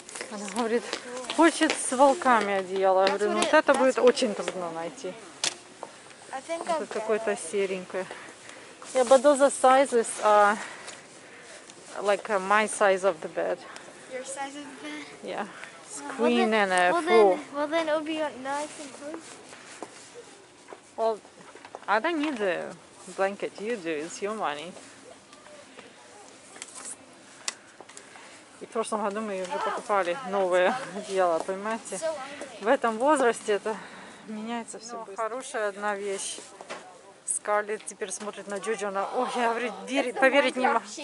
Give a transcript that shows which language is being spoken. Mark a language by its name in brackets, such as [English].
[Russian] Она говорит, хочет с волками одеяло. Я говорю, вот это будет очень трудно найти. Это какое-то серенькое. [English] Yeah, but those sizes are like my size of the bed. Your size of the bed? Yeah. It's queen and a four. Well then it'll be nice and cozy. Well, I don't need the blanket. You do. It's your money. [Russian] И в прошлом году мы уже покупали новое одеяло, понимаете? В этом возрасте это меняется все быстро. Хорошая одна вещь. Скарлетт теперь смотрит на Джоджо, она, ох, я говорит, поверить не могу.